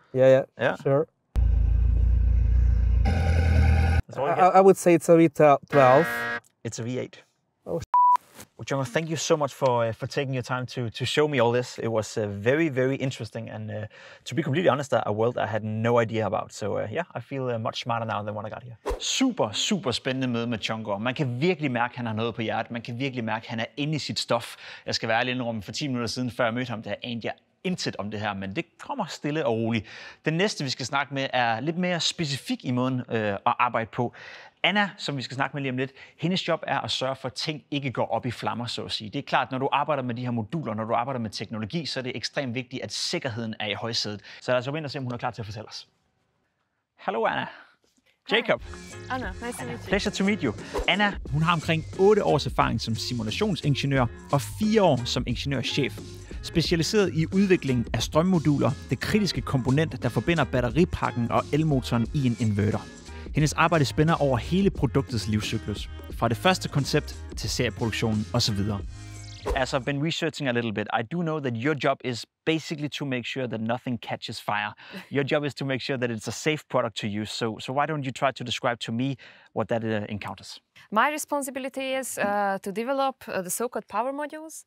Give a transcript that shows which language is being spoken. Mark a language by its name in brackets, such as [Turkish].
[English] Yeah. Sure. I would say it's a V12. It's a V8. Oh. Django, thank you so much for taking your time to show me all this. It was very, very interesting, and to be completely honest, a world I had no idea about. So I feel much smarter now than when I got here. [Danish] Super, super spændende møde med Django. Man kan virkelig mærke, at han har noget på hjertet. Man kan virkelig mærke, at han er inde i sit stof. Jeg skal være ærlig indrømme, for 10 minutter siden, før jeg mødte ham, der anede jeg intet om det her, men det kommer stille og roligt. Den næste, vi skal snakke med, er lidt mere specifik i måden at arbejde på. Anna, som vi skal snakke med lige om lidt, hendes job er at sørge for, at ting ikke går op i flammer, så at sige. Det er klart, når du arbejder med de her moduler, når du arbejder med teknologi, så er det ekstremt vigtigt, at sikkerheden er i højsædet. Så lad os gå ind og se, om hun er klar til at fortælle os. Hallo, Anna. Jacob. [English] Anna, nice to meet you. Pleasure to meet you. [Danish] Anna, hun har omkring 8 års erfaring som simulationsingeniør og 4 år som ingeniørchef. Specialiseret i udvikling af strømmoduler, det kritiske komponent, der forbinder batteripakken og elmotoren i en inverter. Hendes arbejde spænder over hele produktets livscyklus, fra det første koncept til serieproduktion osv. [English] As I've been researching a little bit, I do know that your job is basically to make sure that nothing catches fire. Your job is to make sure that it's a safe product to use. So why don't you try to describe to me what that encounters? My responsibility is to develop the so-called power modules.